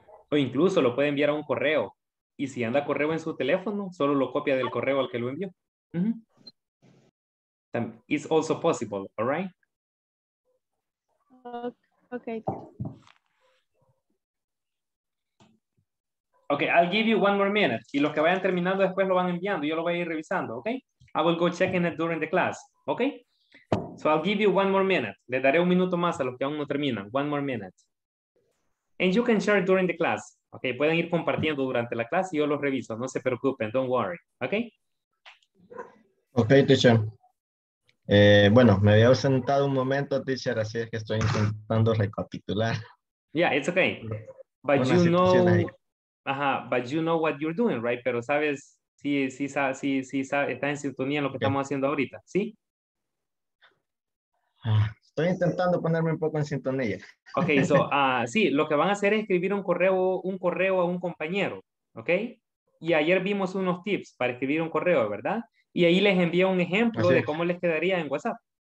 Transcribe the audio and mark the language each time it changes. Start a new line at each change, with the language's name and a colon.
Spanish: O incluso lo puede enviar a un correo. Y si anda correo en su teléfono, solo lo copia del correo al que lo envió.
English: Mm-hmm. It's also possible, all right? Ok. Okay, I'll give you 1 more minute.
Spanish: Y los que vayan terminando después lo van enviando. Yo lo voy a ir revisando, okay?
English: I will go checking it during the class, okay? So I'll give you 1 more minute.
Spanish: Le daré un minuto más a los que aún no terminan.
English: 1 more minute. And you can share during the class, okay?
Spanish: Pueden ir compartiendo durante la clase y yo los reviso. No se preocupen,
English: don't worry,
Spanish: okay?
English: Okay, teacher.
Spanish: Bueno, me había ausentado un momento, teacher, así es que estoy intentando recapitular.
English: Yeah, it's okay. But you know... Ajá, but you know what you're doing, right?
Spanish: Pero sabes, está en sintonía en lo que estamos haciendo ahorita, ¿sí? Estoy intentando ponerme un poco en sintonía. Ok, so, sí, lo que van a hacer es escribir un correo a un compañero, ¿ok? Y ayer vimos unos tips para escribir un correo, ¿verdad? Y ahí les envío un ejemplo de cómo les quedaría en WhatsApp.